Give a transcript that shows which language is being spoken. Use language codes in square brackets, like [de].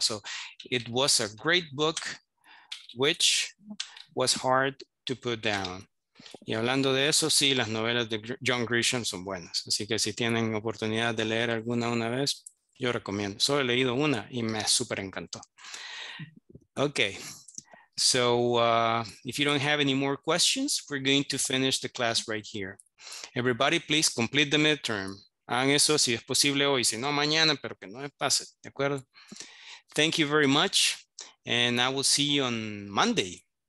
[en] So, it was a great book, which was hard to put down. [es] Y hablando de eso, sí, las novelas de John Grisham son buenas. Así que si tienen oportunidad de leer alguna una vez, yo recomiendo. Solo he leído una y me súper encantó. [en] Okay. So, if you don't have any more questions, we're going to finish the class right here. Everybody, please complete the midterm. [es] Hagan eso si es posible hoy, si no mañana, pero que no me pase, ¿de acuerdo? [en] Thank you very much, and I will see you on Monday.